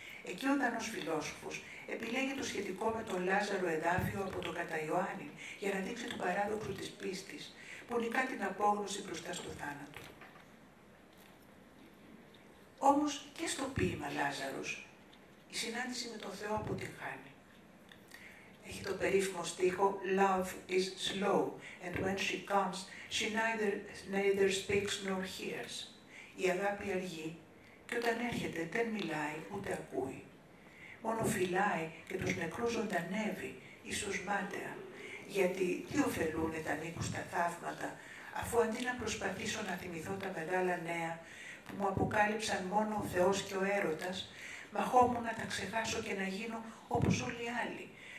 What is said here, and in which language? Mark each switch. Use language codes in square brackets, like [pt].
[el] Εκεί ο Δανός φιλόσοφος επιλέγει το σχετικό με τον Λάζαρο εδάφιο από το «Κατά Ιωάννη» για να δείξει τον παράδοξο της πίστης που νικά την απόγνωση μπροστά στο θάνατο. Όμως και στο ποίημα «Λάζαρος» η συνάντηση με τον Θεό αποτυγχάνει. Έχει το περίφημο στίχο [en] «Love is slow and when she comes, she neither speaks nor hears». [el] Η αγάπη αργεί και όταν έρχεται δεν μιλάει ούτε ακούει. Μόνο φυλάει και τους νεκρούς ζωντανεύει, ίσως μάταια. Γιατί τι ωφελούν τα μήκους τα θαύματα, αφού αντί να προσπαθήσω να θυμηθώ τα μεγάλα νέα που μου αποκάλυψαν μόνο ο Θεός και ο έρωτας, μαχόμουν να τα ξεχάσω και να γίνω όπως όλοι οι άλλοι.